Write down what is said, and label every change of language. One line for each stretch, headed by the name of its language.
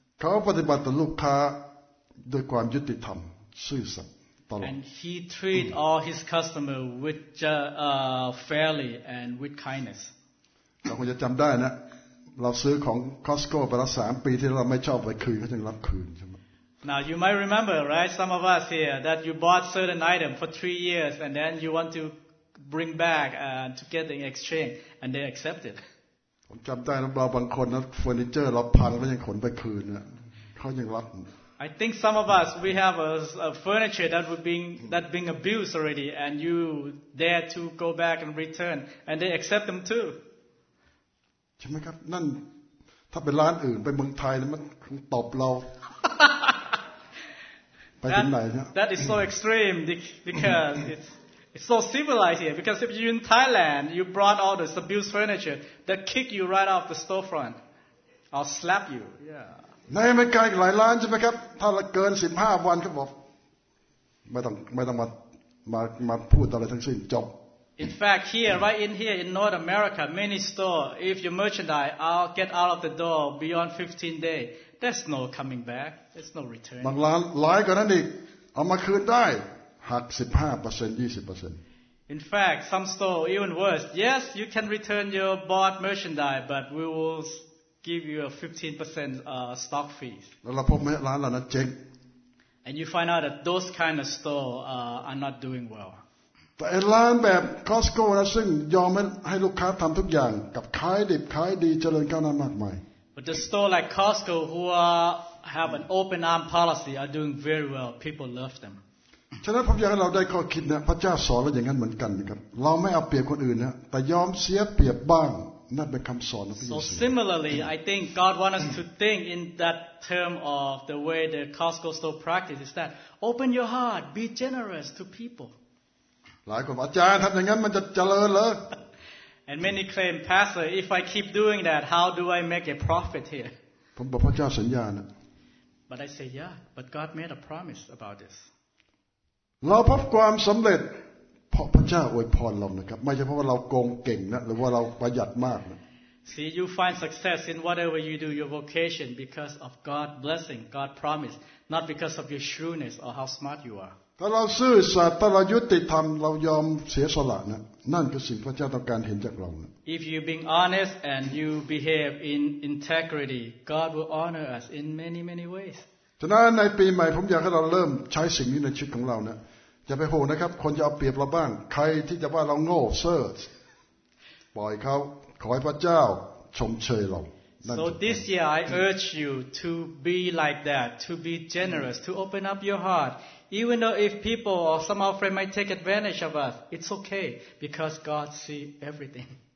Thai: เขาปฏิบัติต่อลูกค้าด้วยความยุติธรรมซื่อสัตย์ตลอด
English: And he treat all his customers with fairly and with kindness.
Thai: เราคงจะจำได้นะเราซื้อของ Costco ไปแล้ว3ปีที่เราไม่ชอบไปคืนเขาจึงรับคืนใช่ไหม
English: Now you might remember, right? Some of us here that you bought certain item for 3 years, and then you want to bring back to get the exchange, and they accept it.
Thai: ผมจำได้นะบางคนนะเฟอร์นิเจอร์เราพังแล้วยังขนไปคืนนะเขายังรับ
English: I think some of us we have a furniture that being abused already, and you dare to go back and return, and they accept them too.
Thai: ใช่ไหมครับนั่นถ้าเป็นร้านอื่นไปเมืองไทยมันตบเรา
English: That is so extreme because it's so civilized here. Because if you're in Thailand, you brought all this abused furniture, they kick you right off the storefront. I'll slap you.
Thai: ในอเมริกาหลายร้านใช่ไหมครับถ้าเกิน15วันเขาบอกไม่ต้องมาพูดอะไรทั้งสิ้นจบ
English: In fact, here, right in here in North America, many stores, if your merchandise, I'll get out of the door beyond 15 days. There's no coming back. There's no return.
Thai: บางร้านหลายกว่านั้นอีกเอามาคืนได้หัก 15% 20%
English: In fact, some store even worse. Yes, you can return your bought merchandise, but we will give you a 15% stock fees.
Thai: แล้วเราพบไหมร้านเหล่านั้นเจ๊ง
English: And you find out that those kind of store are not doing well.
Thai: แต่ร้านแบบ Costco นะซึ่งยอมให้ลูกค้าทำทุกอย่างกับขายดิบขายดีเจริญก้าวหน้ามากมาย
English: But the store like Costco, who have an open arm policy, are doing very well. People love them.
Thai: ฉะนั้นผมอยากให้เราได้ข้อคิดนะพระเจ้าสอนเราอย่างนั้นเหมือนกันนะครับเราไม่เอาเปรียบคนอื่นนะแต่ยอมเสียเปรียบบ้างนั่นเป็นคำสอนของพระเยซู
English: So similarly, I think God wants us to think in that term of the way the Costco store practice is that open your heart, be generous to people.
Thai: หลายคนอาจารย์ทำอย่างนั้นมันจะเจริญเหรอ
English: And many claim, Pastor, if I keep doing that, how do I make a profit here?
Thai: ผมบอกพระเจ้าสัญญานะ
English: But I say, yeah, but God made a promise about this.
Thai: เราพบความสำเร็จเพราะพระเจ้าอวยพรเรานะครับไม่ใช่เพราะว่าเราโกงเก่งนะหรือว่าเราประหยัดมากนะ
English: See, you find success in whatever you do, your vocation, because of God's blessing, God's promise, not because of your shrewdness or how smart you are.
Thai: ถ้าเราซื่อสัตย์ถ้าเรายุติธรรมเรายอมเสียสละนะนั่นคือสิ่งพระเจ้าต้องการเห็นจากเรานะ
English: If you being honest and you behave in integrity God will honor us in many many ways
Thai: ฉะนั้นในปีใหม่ผมอยากให้เราเริ่มใช้สิ่งนี้ในชีวิตของเรานะอย่าไปโหนะครับคนจะเอาเปรียบเราบ้างใครที่จะว่าเราโง่เซิร์ชปล่อยเขาขอให้พระเจ้าชมเชยเรา
English: So this year I urge you to be like that to be generous to open up your heartEven though if people or some of our friends might take advantage of us, it's okay because God sees everything.